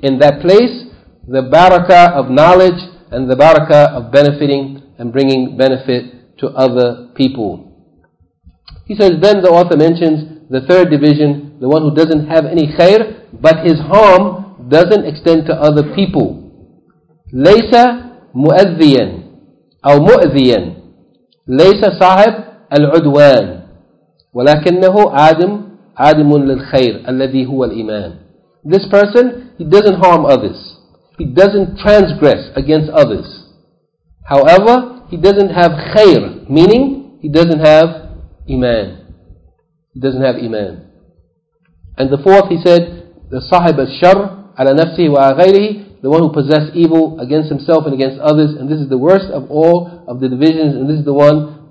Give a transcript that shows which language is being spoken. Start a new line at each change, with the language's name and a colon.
English: In that place, the barakah of knowledge and the barakah of benefiting and bringing benefit to other people. He says, then the author mentions the third division, the one who doesn't have any khair, but his harm doesn't extend to other people.
Arabic: لَيْسَ مُؤَذِّيًا أَوْ مُؤْذِيًا لَيْسَ صَاحِبْ الْعُدْوَانِ وَلَكِنَّهُ عَادِمٌ لِلْخَيْرِ الَّذِي هُوَ الْإِيمَانِ
English: This person, he doesn't harm others. He doesn't transgress against others. However, he doesn't have khair, meaning he doesn't have iman. He doesn't have iman. And the fourth, he said, the
Arabic: صَاحِبَ الشَّرْ على نفسه وغيره,
English: the one who possesses evil against himself and against others, and this is the worst of all of the divisions, and this is the one